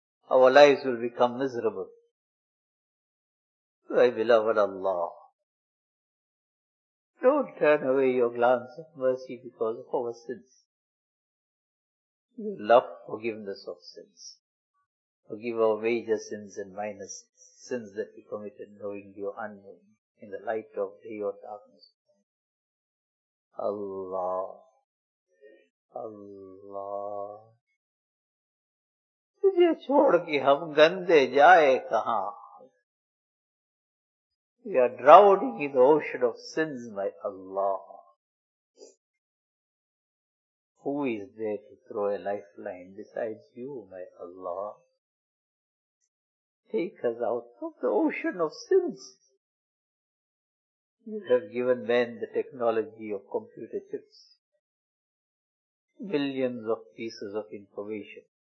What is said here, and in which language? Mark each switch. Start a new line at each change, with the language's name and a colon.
English: Our lives will become miserable. My beloved Allah, don't turn away your glance of mercy because of our sins. You love forgiveness of sins. Forgive our major sins and minor sins, sins that we committed knowingly or unknowingly, in the light of day or darkness.
Urdu: Allah, Allah, تجھے چھوڑ کے ہم گندے جائے کہاں.
English: We are drowning in the ocean of sins, my Allah. Who is there to throw a lifeline besides you, my Allah? Take us out of the ocean of sins. You have given men the technology of computer chips, billions of pieces of information.